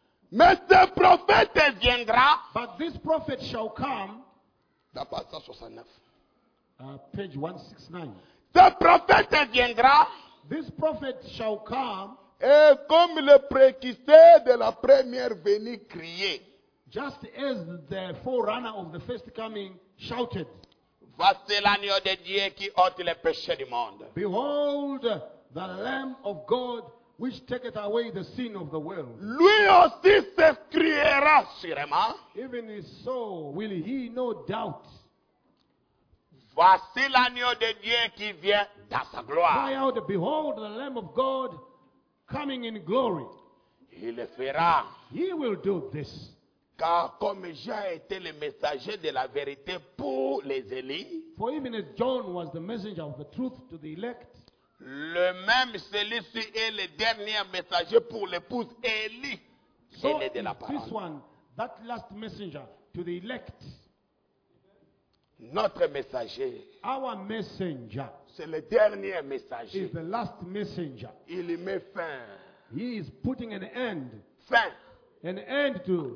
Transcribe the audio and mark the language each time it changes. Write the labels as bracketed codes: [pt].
[fr] Mais ce prophète viendra. [en] But this prophet shall come. [fr] La page 169. [en] Page 169. [fr] Ce prophète viendra. [en] This prophet shall come. [fr] Et comme le précurseur de la première venue criait. [en] Just as the forerunner of the first coming shouted. [fr] Voici l'agneau de Dieu qui ôte les péchés du monde. [en] Behold the Lamb of God which taketh away the sin of the world. [fr] Lui aussi s'écriera sûrement. [en] Even so will he no doubt. [fr] Voici l'agneau de Dieu qui vient dans sa gloire. [en] Cry out, behold the Lamb of God coming in glory. [fr] Il le fera. [en] He will do this. [fr] Car comme Jean était le messager de la vérité pour les élus, [en] for even as John was the messenger of the truth to the elect, [fr] le même celui-ci est le dernier messager pour l'épouse Élie. élevé de la parole. [en] This one, that last messenger to the elect. [fr] Notre messager. [en] Our messenger. [fr] C'est le dernier messager. [en] Is the last messenger. [fr] Il y met fin. [en] He is putting an end. [fr] Fin. [en] An end to.